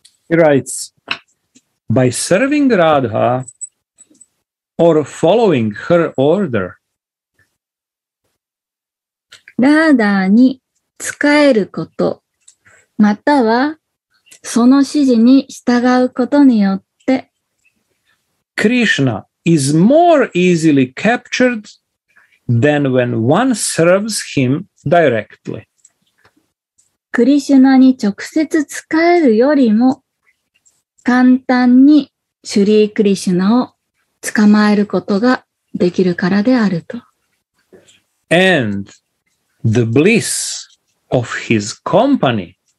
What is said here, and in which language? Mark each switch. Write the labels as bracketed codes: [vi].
[en] He writes, by serving Radha or following her order. [ja] ラーダに仕えること、またはその指示に従うことによって、 [en] Krishna is more easily captured than when one serves him directly. [ja] クリシュナに直接仕えるよりも簡単にシュリー・クリシュナを捕まえることができるからであると。 [en] And the bliss of his company.